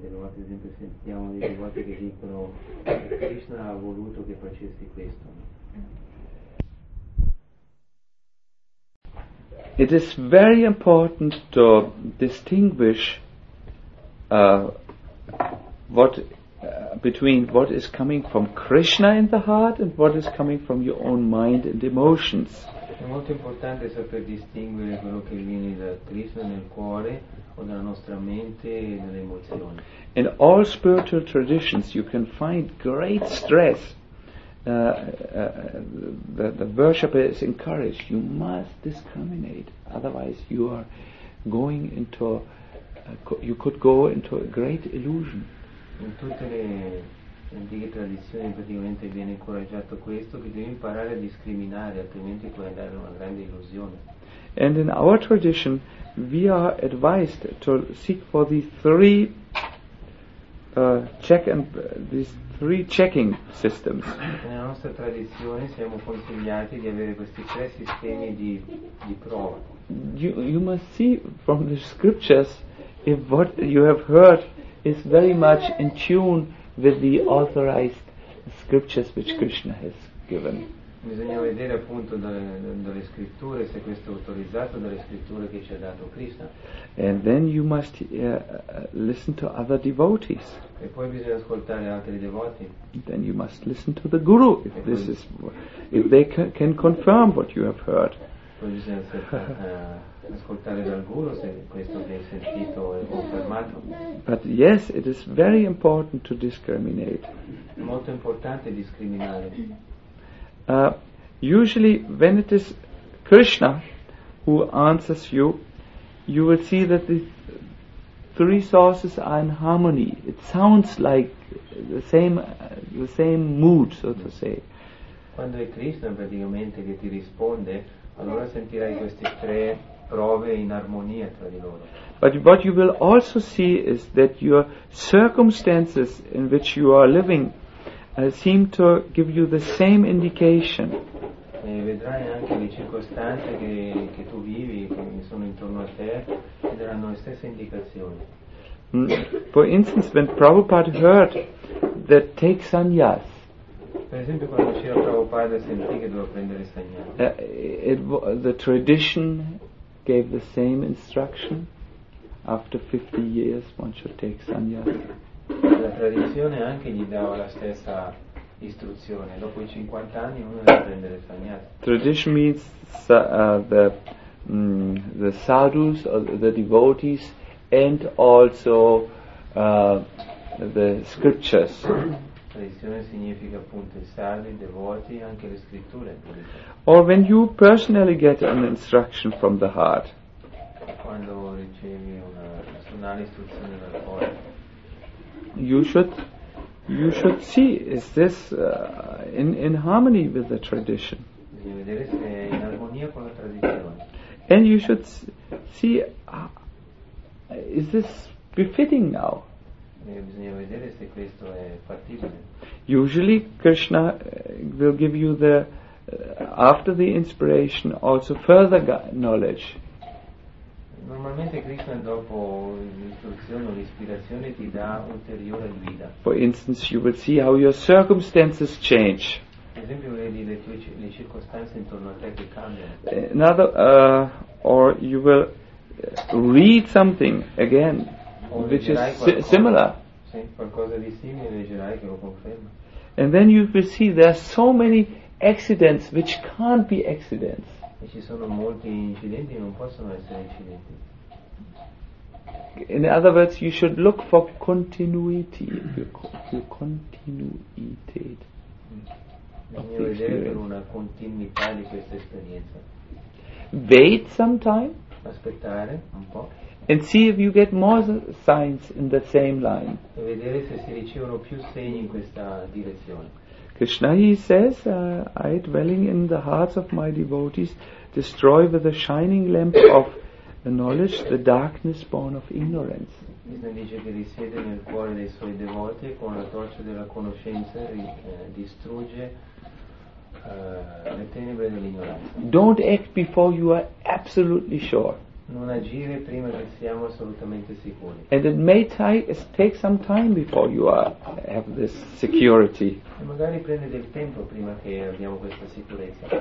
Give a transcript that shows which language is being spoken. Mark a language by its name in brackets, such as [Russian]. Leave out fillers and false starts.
[Italian] Delle volte, ad esempio, sentiamo delle volte che dicono Krishna ha voluto che facessi questo. [English] It is very important to distinguish between what is coming from Krishna in the heart and what is coming from your own mind and emotions. [Italian] È molto importante saper distinguere quello che viene da Krishna nel cuore o dalla nostra mente e dalle emozioni. [English] In all spiritual traditions you can find great stress. The worshipper is encouraged, you must discriminate, otherwise you are going into you could go into a great illusion. [Italian] In tutte le antiche tradizioni praticamente viene incoraggiato questo, che devi imparare a discriminare, altrimenti puoi andare in una grande illusione. [English] And in our tradition we are advised to seek for these three checking systems. [Italian] Nella nostra tradizione siamo consigliati di avere questi tre sistemi di prova. [English] You must see from the scriptures if what you have heard is very much in tune with the authorized scriptures which Krishna has given. [Italian] Bisogna vedere appunto dalle scritture se questo è autorizzato dalle scritture che ci ha dato Krishna. [English] And then you must listen to other devotees. [Italian] E poi bisogna ascoltare altri devoti. [English] Then you must listen to the guru if this is if they can confirm what you have heard. [Italian] Poi bisogna ascoltare dal guru se questo che hai sentito è confermato. [English] But yes, it is very important to discriminate. [Italian] È molto importante discriminare. [English] Usually when it is Krishna who answers you, you will see that the three sources are in harmony. It sounds like the same mood, so to say. [Italian] Quando è Krishna praticamente che ti risponde, allora sentirai queste tre prove in armonia tra di loro. [English] But what you will also see is that your circumstances in which you are living seem to give you the same indication. [Italian] E vedrai anche le circostanze che tu vivi, che sono intorno a te, ti daranno le stesse indicazioni. [English] For instance, when Prabhupada heard that take sannyas, [Italian] Per esempio quando Srila Prabhupada sentì che doveva prendere sannyasa. [English] The tradition gave the same instruction. After 50 years one should take sannyasa. [Italian] La tradizione anche gli dava la stessa istruzione. Dopo i 50 anni uno deve prendere sannyasa. [English] Tradition means the sadhus or the devotees and also the scriptures. [Italian] Tradizione significa appunto i sadhi, i devoti, anche le scritture. [English] Or when you personally get an instruction from the heart. [Italian] Quando ricevi una personale istruzione dal cuore. [English] You should see is this in harmony with the tradition. [Italian] Bisogna vedere se è in armonia con la tradizione. [English] And you should see is this befitting now? [Italian] Bisogna vedere se questo è fattibile. [English] Usually Krishna will give you the after the inspiration also further knowledge. [Italian] Normalmente Krishna dopo l'istruzione o l'ispirazione ti dà ulteriore guida. [English] For instance, you will see how your circumstances change. [Italian] Per esempio vedi le circostanze intorno a te che cambiano. [English] Another or you will read something again which is similar. [Italian] Sì, qualcosa di simile leggerai che lo conferma. [English] And then you will see there are so many accidents which can't be accidents. [Italian] E ci sono molti incidenti che non possono essere incidenti. [English] In other words, you should look for continuity. Your continuity. [Italian] Bisogna vedere per una continuità di questa esperienza. [English] Wait some time. [Italian] Aspettare un po'. [English] And see if you get more signs in the same line. [Italian] E vedere se si ricevono più segni in questa direzione. [English] Krishna, he says, I dwelling in the hearts of my devotees, destroy with the shining lamp of the knowledge the darkness born of ignorance. [Italian] Krishna dice che risiede nel cuore dei suoi devoti e con la torcia della conoscenza distrugge le tenebre dell'ignoranza. [English] Don't act before you are absolutely sure. [Italian] Non agire prima che siamo assolutamente sicuri. [English] And it may take some time before you have this security. [Italian] E magari prende del tempo prima che abbiamo questa sicurezza.